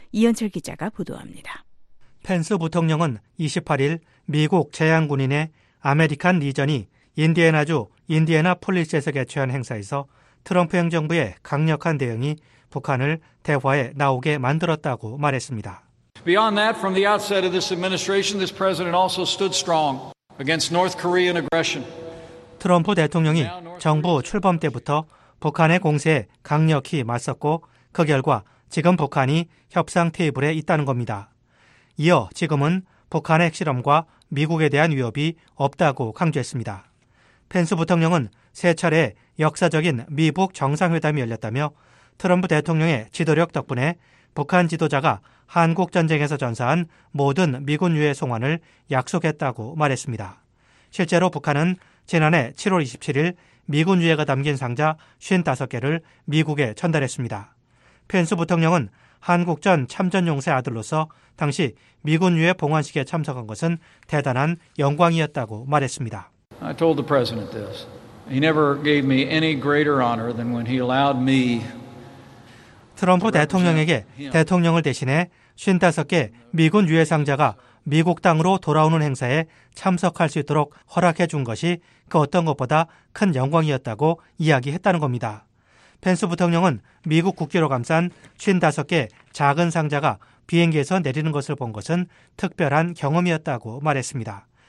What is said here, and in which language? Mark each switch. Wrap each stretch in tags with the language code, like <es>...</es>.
<ko>이현철 기자가 보도합니다. 펜스 부통령은 28일 미국 제1군인의 아메리칸 리전이 인디애나주 인디애나폴리스에서 개최한 행사에서 트럼프 행정부의 강력한 대응이 북한을 대화에 나오게 만들었다고 말했습니다.</ko> <en>Beyond that, from the outset of this administration, this president also stood strong against North Korean aggression.</en> <ko>트럼프 대통령이 정부 출범 때부터 북한의 공세에 강력히 맞섰고 그 결과 지금 북한이 협상 테이블에 있다는 겁니다. 이어 지금은 북한의 핵실험과 미국에 대한 위협이 없다고 강조했습니다. 펜스 부통령은 세 차례 역사적인 미북 정상회담이 열렸다며 트럼프 대통령의 지도력 덕분에 북한 지도자가 한국 전쟁에서 전사한 모든 미군 유해 송환을 약속했다고 말했습니다. 실제로 북한은 지난해 7월 27일 미군 유해가 담긴 상자 55개를 미국에 전달했습니다. 펜스 부통령은 한국전 참전용사의 아들로서 당시 미군 유해 봉환식에 참석한 것은 대단한 영광이었다고 말했습니다.</ko> <en>I told the president this. He never gave me any greater honor than when he allowed me.</en> <ko>트럼프 대통령에게 대통령을 대신해 55개 미군 유해 상자가 미국 땅으로 돌아오는 행사에 참석할 수 있도록 허락해 준 것이 그 어떤 것보다 큰 영광이었다고 이야기했다는 겁니다. 펜스 부통령은 미국 국기로 감싼 55개 작은 상자가 비행기에서 내리는 것을 본 것은 특별한 경험이었다고 말했습니다.</ko>